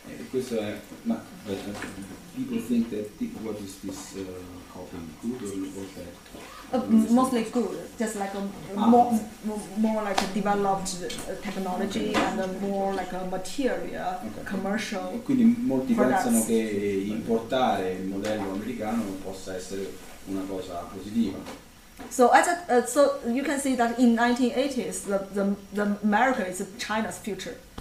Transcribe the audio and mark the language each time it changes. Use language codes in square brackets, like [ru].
[it] Questo è, ma [en] people think that what is this copying, good or what that? Mostly good, just like more like a developed technology, okay. And a more like a material, okay. Commercial. [it] Quindi molti pensano che importare il modello americano possa essere una cosa positiva. [en] So as a, so you can see that in 1980s the America is China's future.